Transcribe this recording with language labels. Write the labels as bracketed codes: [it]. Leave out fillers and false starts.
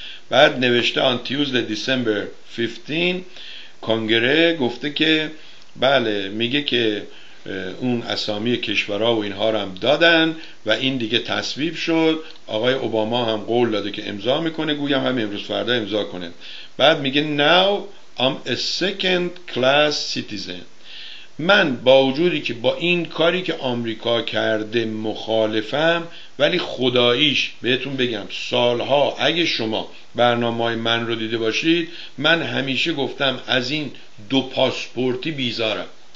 [fa] بعد نوشته [en] on Tuesday December 15 [fa] کنگره گفته که بله، میگه که اون اسامی کشورها و اینها رو هم دادن و این دیگه تصویب شد. آقای اوباما هم قول داده که امضا میکنه، گویم هم امروز فردا امضا کنه. بعد میگه [en] Now I'm a second class citizen. [fa] من با وجودی که با این کاری که آمریکا کرده مخالفم، ولی خداییش بهتون بگم سالها اگه شما برنامه‌های من رو دیده باشید، من همیشه گفتم از این دو پاسپورتی بیزارم.